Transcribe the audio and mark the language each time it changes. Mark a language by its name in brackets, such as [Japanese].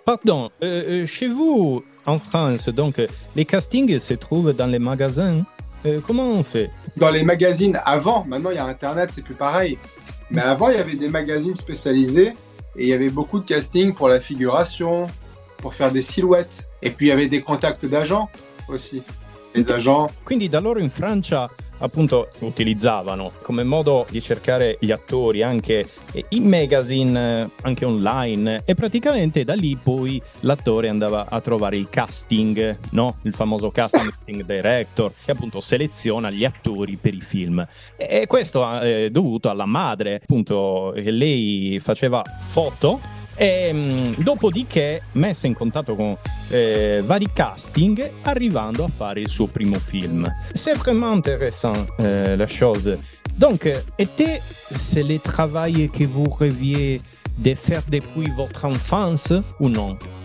[French] Pardon, chez vous, en France, donc, les castings se trouvent dans les magasins. Comment on fait ? Dans les magazines, avant, maintenant il y a Internet, c'est plus pareil. Mais avant, il y avait des magazines spécialisés et il y avait beaucoup de castings pour la figuration, pour faire des silhouettes. Et puis, il y avait des contacts d'agents aussi, les agents. [Italian] Quindi, d'allora in Francia, appunto, utilizzavano come modo di cercare gli attori anche in magazine, anche online, e praticamente da lì poi l'attore andava a trovare il casting, no? Il famoso casting director, che appunto seleziona gli attori per i film. E questo è dovuto alla madre, appunto, che lei faceva foto, e dopodiché messa in contatto con vari casting, arrivando a fare il suo primo film. [French] C'est vraiment intéressant la chose. Donc, était ce le travail que vous rêviez de faire depuis votre enfance ou non?